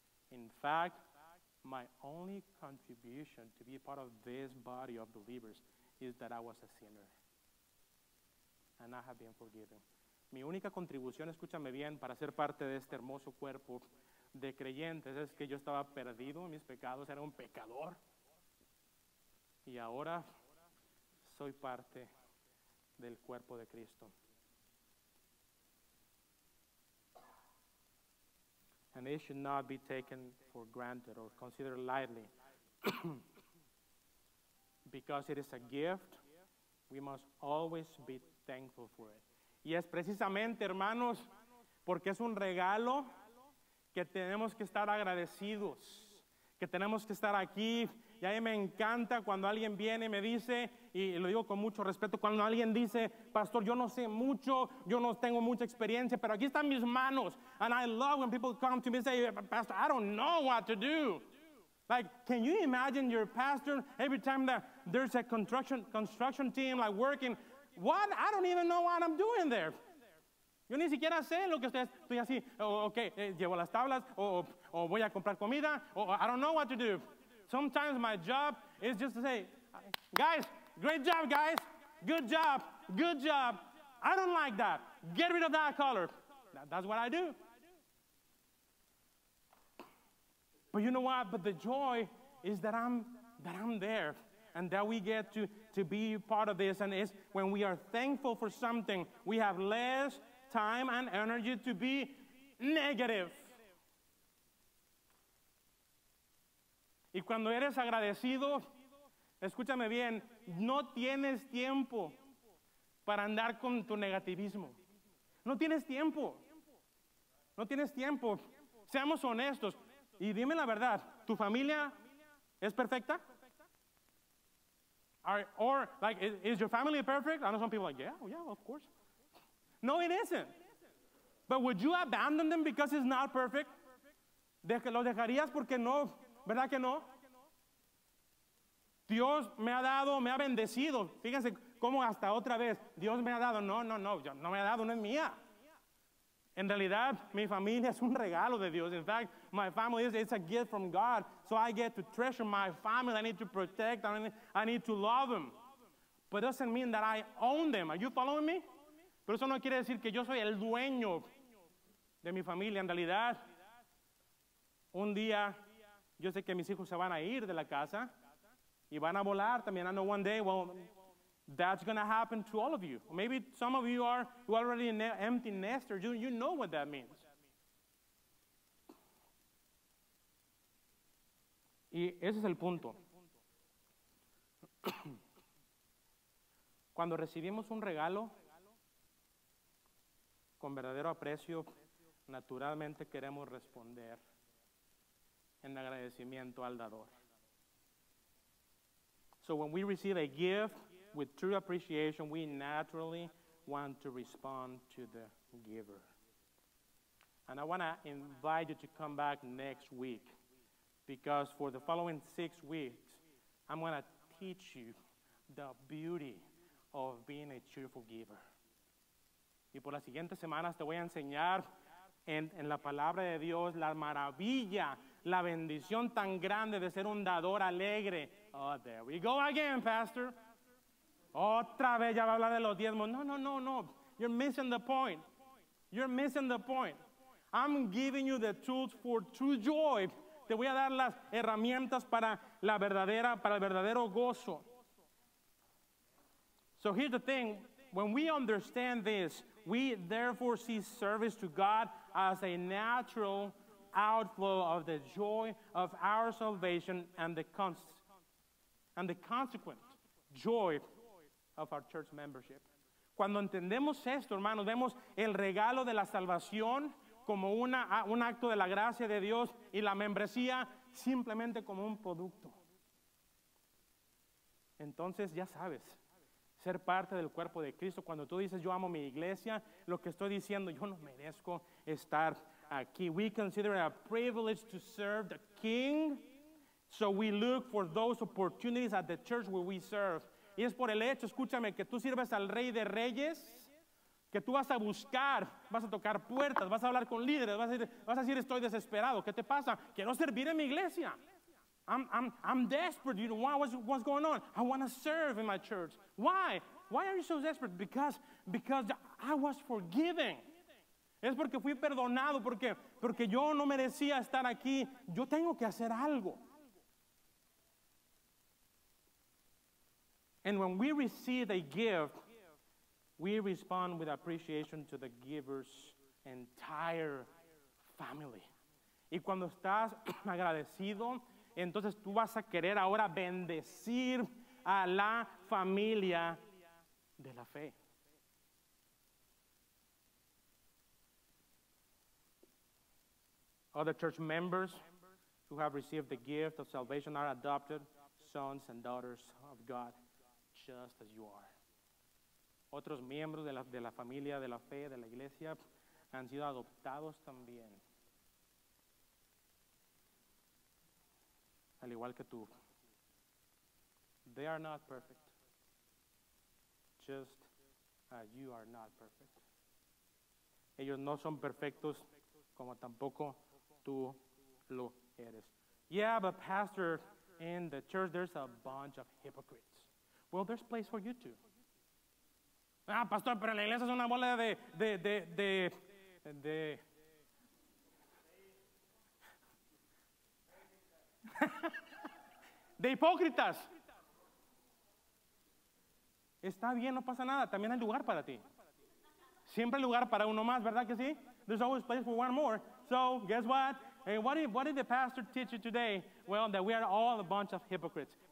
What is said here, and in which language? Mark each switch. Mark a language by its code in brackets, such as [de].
[en] In fact, my only contribution to be part of this body of believers is that I was a sinner. And I have been forgiven. [es] Mi única contribución, escúchame bien, para ser parte de este hermoso cuerpo de creyentes es que yo estaba perdido en mis pecados, era un pecador. Y ahora soy parte del cuerpo de Cristo. [en] And it should not be taken for granted or considered lightly. Because it is a gift, we must always be thankful for it. [es] Y es precisamente, hermanos, porque es un regalo que tenemos que estar agradecidos, que tenemos que estar aquí. Y a mí me encanta cuando alguien viene y me dice, y lo digo con mucho respeto, cuando alguien dice, pastor, yo no sé mucho, yo no tengo mucha experiencia, pero aquí están mis manos. [en] And I love when people come to me and say, pastor, I don't know what to do. Like, can you imagine your pastor every time that there's a construction team, like, working? What? I don't even know what I'm doing there. [es] Yo ni siquiera sé lo que ustedes, estoy así, llevo las tablas, o voy a comprar comida, [en] I don't know what to do. Sometimes my job is just to say, guys, great job, guys. Good job. Good job. I don't like that. Get rid of that color. That's what I do. But you know what? But the joy is that I'm there and that we get to be part of this. And it's when we are thankful for something, we have less time and energy to be negative. [es] Y cuando eres agradecido, escúchame bien, no tienes tiempo para andar con tu negativismo. No tienes tiempo. No tienes tiempo. Seamos honestos. Y dime la verdad, ¿tu familia es perfecta? [en] Or, like, is your family perfect? I know some people are like, yeah, of course. No, it isn't. But would you abandon them because it's not perfect? [es] ¿Los dejarías porque no? ¿Verdad que no? Dios me ha dado, me ha bendecido. Fíjense cómo hasta otra vez Dios me ha dado. No me ha dado, no es mía. En realidad, mi familia es un regalo de Dios. [en] In fact, my family is, it's a gift from God. So I get to treasure my family. I need to protect them. I need to love them. But it doesn't mean that I own them. Are you following me? [es] Pero eso no quiere decir que yo soy el dueño de mi familia. En realidad, Un día, yo sé que mis hijos se van a ir de la casa y van a volar también. [en] I know one day, well, that's going to happen to all of you. Maybe some of you are already an empty nester. You know what that means. [es] Y ese es el punto. Cuando recibimos un regalo, con verdadero aprecio, naturalmente queremos responder en agradecimiento al dador. [en] So when we receive a gift with true appreciation, we naturally want to respond to the giver. And I want to invite you to come back next week, because for the following 6 weeks, I'm going to teach you the beauty of being a cheerful giver. [es] Y por las siguientes semanas te voy a enseñar en la palabra de Dios la maravilla, la bendición tan grande de ser un dador alegre. [en] Oh, there we go again, Pastor. [es] Otra vez ya va a hablar de los diezmos. [en] No. You're missing the point. You're missing the point. I'm giving you the tools for true joy. [es] Te voy a dar las herramientas para la verdadera, para el verdadero gozo. [en] So here's the thing. When we understand this, we therefore see service to God as a natural outflow of the joy of our salvation and the consequent joy of our church membership. [es] Cuando entendemos esto, hermanos, vemos el regalo de la salvación como un acto de la gracia de Dios y la membresía simplemente como un producto. Entonces, ya sabes, ser parte del cuerpo de Cristo, cuando tú dices, yo amo mi iglesia, lo que estoy diciendo, yo no merezco estar aquí. [en] We consider it a privilege to serve the King, so we look for those opportunities at the church where we serve. [es] Y es por el hecho, escúchame, que tú sirves al Rey de Reyes, que tú vas a buscar, vas a tocar puertas, vas a hablar con líderes, vas a decir, estoy desesperado, ¿qué te pasa? Quiero servir en mi iglesia. [en] I'm desperate. You know why? What's going on? I want to serve in my church. Why? Why are you so desperate? Because I was forgiven. [es] Es porque fui perdonado. ¿Por qué? Porque yo no merecía estar aquí. Yo tengo que hacer algo. [en] And when we receive a gift, we respond with appreciation to the giver's entire family. [es] Y cuando estás agradecido, entonces tú vas a querer ahora bendecir a la familia de la fe. [en] Other church members who have received the gift of salvation are adopted sons and daughters of God, just as you are. [es] Otros miembros de la familia de la fe, de la iglesia, han sido adoptados también. Al igual que tú. [en] They are not perfect. Just as you are not perfect. [es] Ellos no son perfectos como tampoco tú lo eres. [en] Yeah, but Pastor, in the church there's a bunch of hypocrites. Well, there's place for you too. [es] Ah, Pastor, pero la iglesia es una bola de de hipócritas. Está bien, no pasa nada. También hay lugar para ti. Siempre hay lugar para uno más, ¿verdad que sí? [en] There's always place for one more. So, guess what? Hey, what did the pastor teach you today? Well, that we are all a bunch of hypocrites.